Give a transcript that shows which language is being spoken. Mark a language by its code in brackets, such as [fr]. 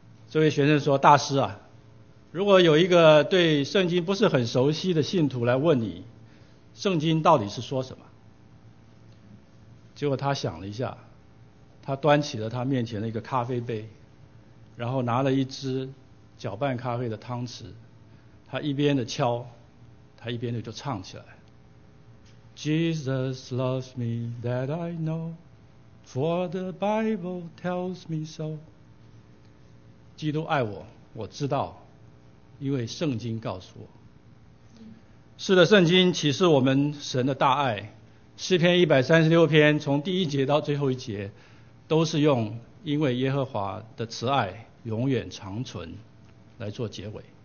[zh] 这位学生说：“大师啊，如果有一个对圣经不是很熟悉的信徒来问你，圣经到底是说什么？” 结果他想了一下，他端起了他面前的一个咖啡杯，然后拿了一只搅拌咖啡的汤匙，他一边的敲，他一边的就唱起来。 [en] Jesus loves me, that I know, for the Bible tells me so. [zh] 基督爱我，我知道，因为圣经告诉我。是的，圣经启示我们神的大爱。诗篇136篇，从第一节到最后一节，都是用“因为耶和华的慈爱永远长存”来做结尾。